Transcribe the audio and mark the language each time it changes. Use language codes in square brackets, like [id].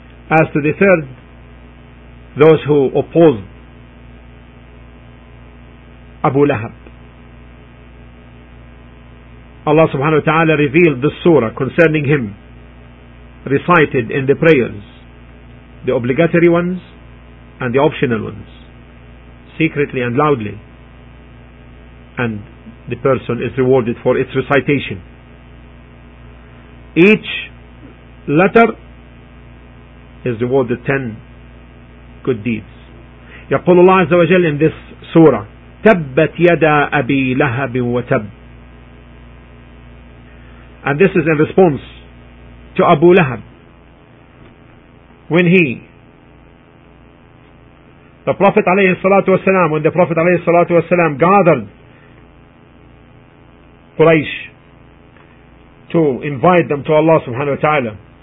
[en] As to the third, those who opposed Abu Lahab, Allah subhanahu wa ta'ala revealed the surah concerning him, recited in the prayers, the obligatory ones and the optional ones, secretly and loudly, and the person is rewarded for its recitation. Each letter is rewarded 10 good deeds. [ar] يقول الله عز وجل [en] in this surah, [ar] تبت يدا أبي لهب وتب. [en] And this is in response to Abu Lahab when he, the Prophet عليه الصلاة والسلام, when the Prophet عليه الصلاة والسلام gathered Quraysh to invite them to Allah subhanahu wa ta'ala.